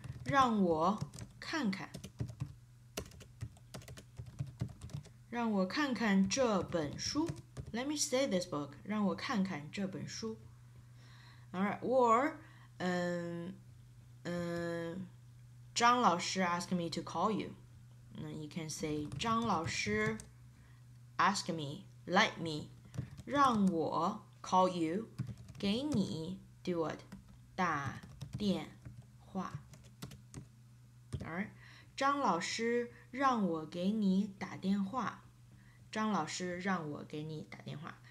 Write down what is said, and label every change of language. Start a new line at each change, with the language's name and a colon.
Chinese: 让我看看，让我看看这本书。
English: Let me see this book.
Chinese: 让我看看这本书。
English: Alright, or, 张老师 asked me to call you. And you can say, 张老师 asked me, let me,
Chinese: 让我
English: call you,
Chinese: 给你
English: do what?
Chinese: 打电话。张老师让我给你打电话。张老师让我给你打电话。